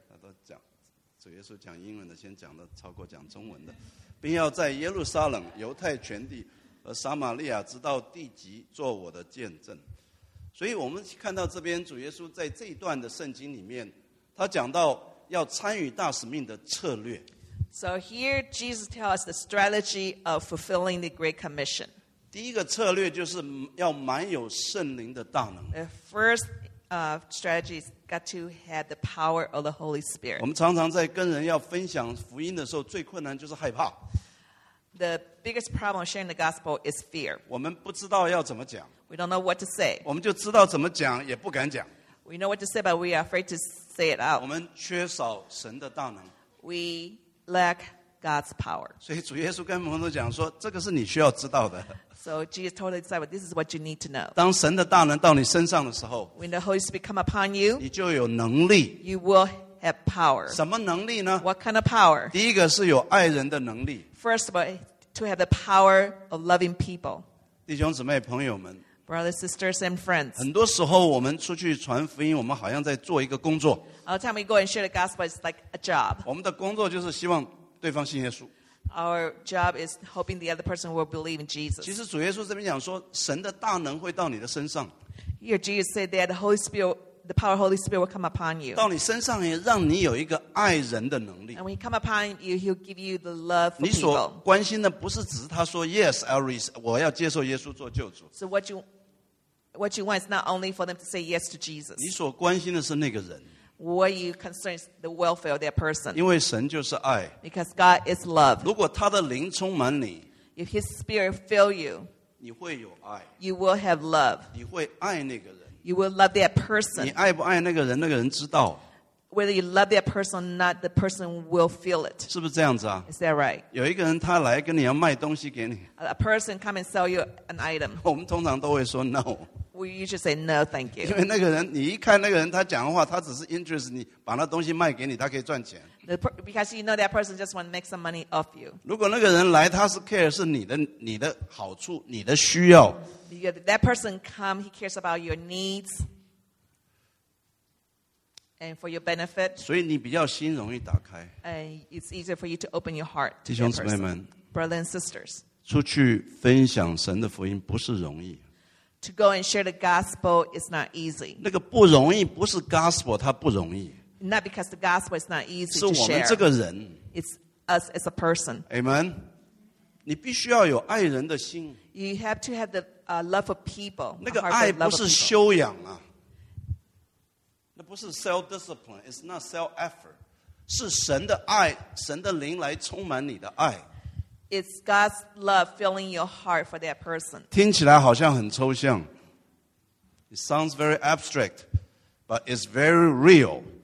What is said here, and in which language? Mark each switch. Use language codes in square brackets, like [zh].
[zh] 他都讲，主耶稣讲英文的，先讲的超过讲中文的，并要在耶路撒冷、犹太全地和撒玛利亚直到地极做我的见证。所以我们看到这边主耶稣在这一段的圣经里面，他讲到要参与大使命的策略。 [en] So here Jesus tells us the strategy of fulfilling the Great Commission. [zh] 第一个策略就是要满有圣灵的大能。 [en] The first strategy is got to have the power of the Holy Spirit. [zh] 我们常常在跟人要分享福音的时候，最困难就是害怕。 [en] The biggest problem sharing the gospel is fear. [zh] 我们不知道要怎么讲。 [en] We don't know what to say. [zh] 我们就知道怎么讲，也不敢讲。 [en] We know what to say, but we are afraid to say it out. [zh] 我们缺少神的大能。 [en] We lack God's power. [zh] 所以主耶稣跟门徒讲说，这个是你需要知道的。 [en] So Jesus told the disciples, this is what you need to know. [zh] 当神的大能到你身上的时候， [en] When the Holy Spirit come upon you, [zh] 你就有能力。 [en] You will have power. [zh] 什么能力呢？ [en] What kind of power? [zh] 第一个是有爱人的能力。 [en] First of all, to have the power of loving people. [zh] 弟兄姊妹朋友们， [en] Brothers, sisters, and friends. [zh] 很多时候我们出去传福音，我们好像在做一个工作。 [en] All the time we go and share the gospel is like a job. [zh] 我们的工作就是希望对方信耶稣。 [en] Our job is hoping the other person will believe in Jesus. [zh] 其实主耶稣这边讲说，神的大能会到你的身上。 [en] Here Jesus said that the Holy Spirit, the power of the Holy Spirit will come upon you. [zh] 到你身上也让你有一个爱人的能力。 [en] And when he come upon you, he'll give you the love for people. [zh] 你所关心的不是只是他说 Yes, Elvis, 我要接受耶稣做救主。 [en] So what you want is not only for them to say yes to Jesus. [zh] 你所关心的是那个人。 [en] What you concern is the welfare of that person. [zh] 因为神就是爱。 [en] Because God is love. [zh] 如果他的灵充满你， [en] If his spirit fill you, [zh] 你会有爱。 [en] You will have love. [zh] 你会爱那个人。 [en] You will love that person. [zh] 你爱不爱那个人，那个人知道。 [en] Whether you love that person or not, the person will feel it. [zh] 是不是这样子啊？ [en] Is that right? [zh] 有一个人他来跟你要卖东西给你。 [en] A person come and sell you an item. [zh] 我们通常都会说 no。 [en] We usually say no, thank you. [zh] 因为那个人，你一看那个人，他讲的话，他只是 interest 你，把那东西卖给你，他可以赚钱。 [en] Because you know that person just want to make some money off you. [zh] 如果那个人来，他是 care 是你的好处，你的需要。 [en] Because that person come, he cares about your needs and for your benefit. [zh] 所以你比较心容易打开。 [en] And it's easier for you to open your heart. [zh] 弟兄姊妹们 [en] ，brothers and sisters， [zh] 出去分享神的福音不是容易。 [en] To go and share the gospel is not easy. [zh] 那个不容易不是 gospel 它不容易。 [en] Not because the gospel is not easy to share. [zh] 是我们这个人。 [en] It's us as a person. [zh] Amen. 你必须要有爱人的心。 [en] You have to have the love of people. [zh] 那个爱不是修养啊。那不是 [en] self-discipline, it's not self-effort. [zh] 是神的爱，神的灵来充满你的爱。 [en] It's God's love filling your heart for that person. [zh] 听起来好像很抽象。 [en] It sounds very abstract, but it's very real.